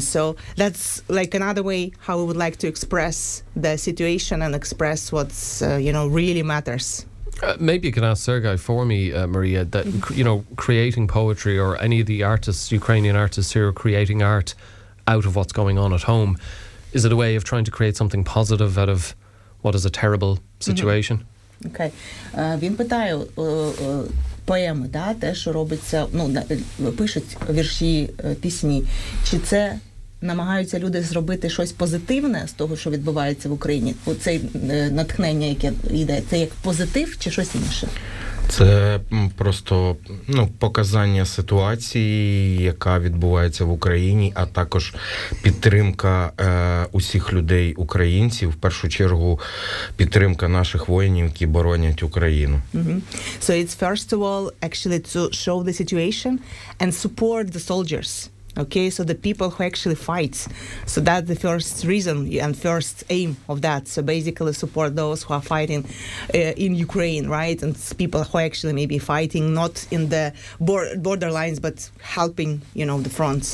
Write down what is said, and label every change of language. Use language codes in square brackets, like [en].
[en] So that's like another way how we would like to express the situation and express what's, you know, really matters. Maybe you can ask Sergei for me, Mariya, that, you know, creating poetry or any of the artists, Ukrainian artists here, creating art out of what's going on at home, is it a way of trying to create something positive out of what is a terrible situation? Mm-hmm. Okay. [uk] Він питає поеми, да, те, що робиться, ну, пишуть вірші, пісні. Чи це намагаються люди зробити щось позитивне з того, що відбувається в Україні? Оце натхнення, яке йде, це як позитив чи щось інше? Це просто, ну, показання ситуації, яка відбувається в Україні, а також підтримка усіх людей, українців, в першу чергу підтримка наших воїнів, які боронять Україну. Mm-hmm. [en] So it's first of all actually to show the situation and support the soldiers. Okay, so the people who actually fight. So that's the first reason and first aim of that. So basically support those who are fighting in Ukraine, right? And people who actually may be fighting not in the border lines, but helping, you know, the front.